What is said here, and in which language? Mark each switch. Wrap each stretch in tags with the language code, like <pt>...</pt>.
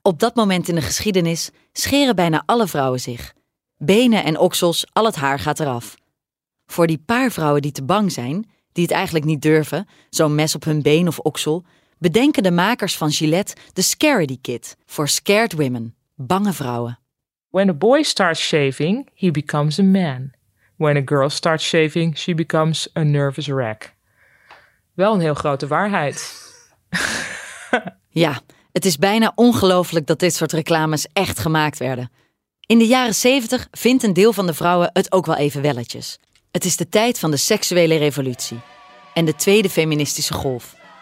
<nl>Op dat moment in de geschiedenis scheren bijna alle vrouwen zich. Benen en oksels, al het haar gaat eraf. Voor die paar vrouwen die te bang zijn, die het eigenlijk niet durven, zo'n mes op hun been of oksel, bedenken de makers van Gillette de Scaredy Kit voor</nl> <en>scared women,</en> <nl>bange vrouwen.</nl> <en>When a boy starts shaving, he becomes a man. When a girl starts shaving, she becomes a nervous wreck.</en> <nl>Wel een heel grote waarheid. Ja, het is bijna ongelooflijk dat dit soort reclames echt gemaakt werden. In de jaren 70 vindt een deel van de vrouwen het ook wel even welletjes. Het is de tijd van de seksuele revolutie en de tweede feministische golf.</nl>